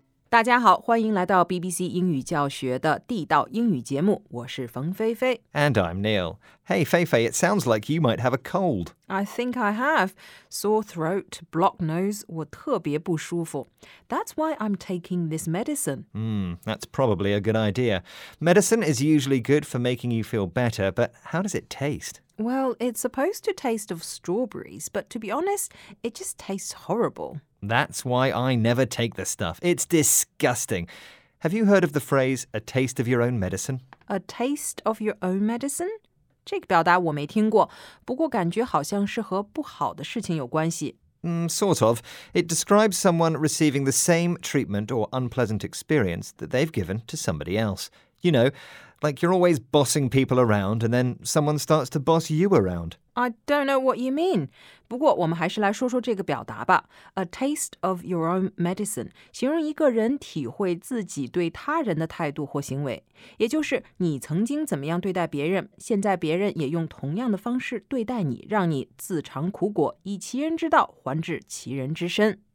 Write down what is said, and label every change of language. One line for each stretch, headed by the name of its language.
Chinese: 大家好，欢迎来到 BBC 英语教学的地道英语节目，我是冯菲菲。
English: And I'm Neil. Hey, Feifei, it sounds like you might have a cold. I think I have. Sore throat, blocked nose,
Chinese: 我特别不舒服。
English: That's why I'm taking this medicine. That's probably a good idea. Medicine is usually good for making you feel better, but how does it taste? Well, it's supposed to taste of strawberries, but to be honest, it just tastes horrible. That's why I never take the stuff. It's disgusting. Have you heard of the phrase, a taste of your own medicine? A taste of your own medicine?
Chinese: 这个表达我没听过，不过感觉好像是和不好的事情有关系。
English: Sort of. It describes someone receiving the same treatment or unpleasant experience that they've given to somebody else. You know... Like you're always bossing people around and then someone starts to boss you around. I don't know what you mean.
Chinese: 不过我们还是来说说这个表达吧。
English: A taste of your own medicine.
Chinese: 形容一个人体会自己对他人的态度或行为。也就是你曾经怎么样对待别人，现在别人也用同样的方式对待你，让你自尝苦果，以其人之道还治其人之身。